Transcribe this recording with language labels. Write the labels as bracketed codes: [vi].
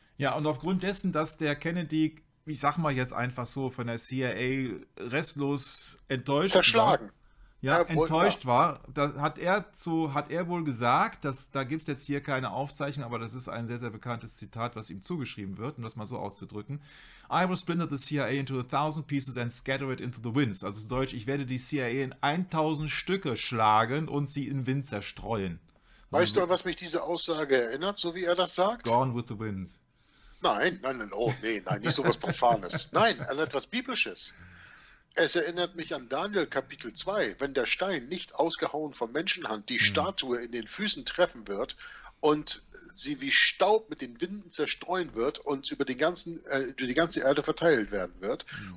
[de] Ja, und aufgrund dessen, dass der Kennedy, ich sag mal jetzt einfach so, von der CIA restlos enttäuscht. Zerschlagen. War. enttäuscht war. Da hat er zu, hat er wohl gesagt, dass, da gibt es jetzt hier keine Aufzeichnung, aber das ist ein sehr, sehr bekanntes Zitat, was ihm zugeschrieben wird, um das mal so auszudrücken. [en] I will splinter the CIA into 1,000 pieces and scatter it into the winds. [de] Also zu Deutsch, ich werde die CIA in 1,000 Stücke schlagen und sie in Wind zerstreuen. Weißt du, an was mich diese Aussage erinnert, so wie er das sagt? [en] Gone with the wind. [de] Nein, nicht so was Profanes. Nein, an etwas Biblisches. Es erinnert mich an Daniel Kapitel 2, wenn der Stein nicht ausgehauen von Menschenhand die Statue in den Füßen treffen wird und sie wie Staub mit den Winden zerstreuen wird und über, den ganzen, über die ganze Erde verteilt werden wird. Mhm.